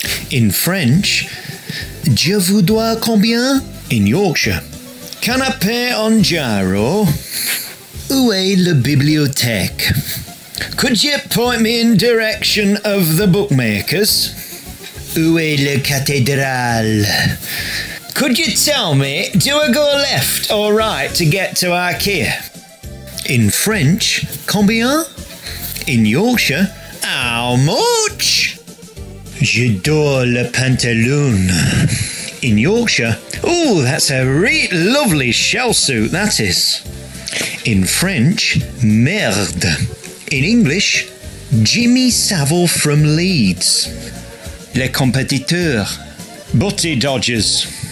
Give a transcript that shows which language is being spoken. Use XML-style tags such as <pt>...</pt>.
<en>In French,</en> <fr>je vous dois combien?</fr> <en>In Yorkshire, can I pay on gyro?</en> <fr>Où est la bibliothèque?</fr> <en>Could you point me in direction of the bookmakers?</en> <fr>Où est la cathédrale?</fr> <en>Could you tell me, do I go left or right to get to IKEA? In French, combien? In Yorkshire, how much?</en> <fr>J'adore le pantaloon.</fr> <en>In Yorkshire, ooh, that's a really lovely shell suit, that is. In French, merde. In English, Jimmy Savile from Leeds.</en> <fr>Les compétiteurs,</fr> <en>butty dodgers.</en>